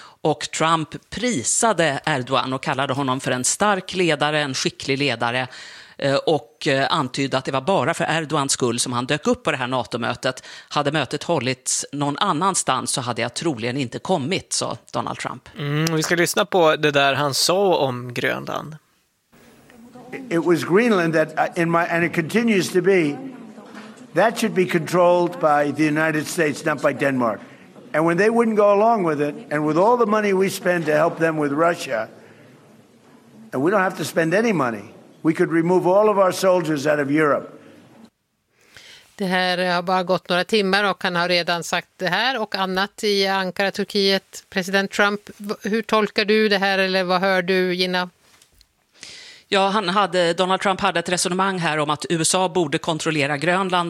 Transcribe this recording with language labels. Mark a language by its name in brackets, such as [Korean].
[Swedish] Och Trump prisade Erdogan och kallade honom för en stark ledare, en skicklig ledare. Och antydde att det var bara för Erdogans skull som han dök upp på det här NATO-mötet. Hade mötet hållits någon annanstans så hade jag troligen inte kommit, sa Donald Trump. Vi ska lyssna på det där han sa om Grönland. [English] It was Greenland that in my and it continues to be that should be controlled by the United States, not by Denmark. And when they wouldn't go along with it, and with all the money we spend to help them with Russia, and we don't have to spend any money, we could remove all of our soldiers out of Europe. [Swedish] Det här har bara gått några timmar och han har redan sagt det här och annat i Ankara, Turkiet. President Trump, hur tolkar du det här eller vad hör du, Gina? Ja, Donald Trump hade ett resonemang här om att USA borde kontrollera Grönland.